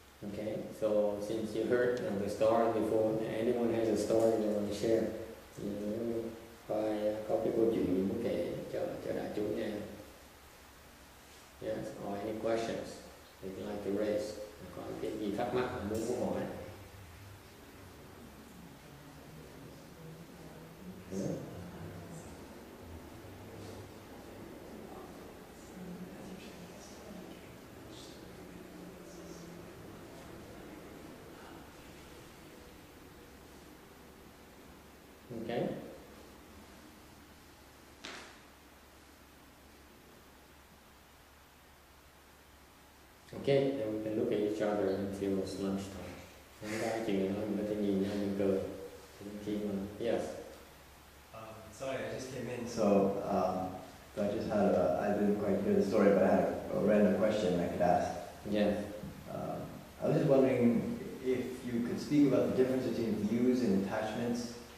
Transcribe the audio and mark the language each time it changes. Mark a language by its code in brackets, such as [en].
[en] Okay, so since you heard the story before, anyone has a story they want to share? [vi] Coi có cái câu chuyện mình muốn kể cho đại chúng nghe. [en] Yes, or any questions you'd like to raise? [vi] Có cái gì thắc mắc mà muốn hỏi? [en] Yeah. Okay. Okay, then we can look at each other until it's lunchtime. [vi] Anh ta chỉ nói mình có thể nhìn nhau mình cười. Thì khi mà yes. [en] Sorry, I just came in. So, I just had I didn't quite hear the story, but I had a random question I could ask. Yes. I was just wondering if you could speak about the difference between views and attachments.